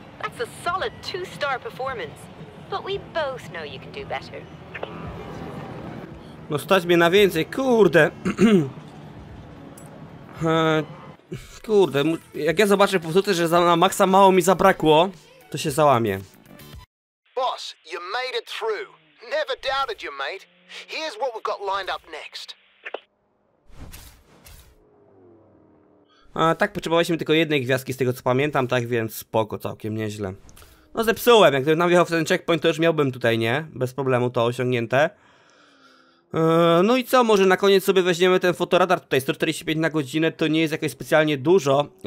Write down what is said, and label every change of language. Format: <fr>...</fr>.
<en>That's a solid two-star performance. But we both know you can do better.</en> <pl>No stać mnie na więcej, kurde. Kurde, jak ja zobaczę powtórkę, że na maksa mało mi zabrakło, to się załamie.</pl> <en>Boss, you made it through. Never doubted you, mate. Here's what we've got lined up next.</en> <pl>A tak, potrzebowaliśmy tylko jednej gwiazdki z tego co pamiętam, tak więc spoko, całkiem nieźle. No zepsułem, jak gdybym nam wjechał w ten checkpoint, to już miałbym tutaj, nie? Bez problemu to osiągnięte. No i co, może na koniec sobie weźmiemy ten fotoradar tutaj, 145 na godzinę, to nie jest jakoś specjalnie dużo.</pl>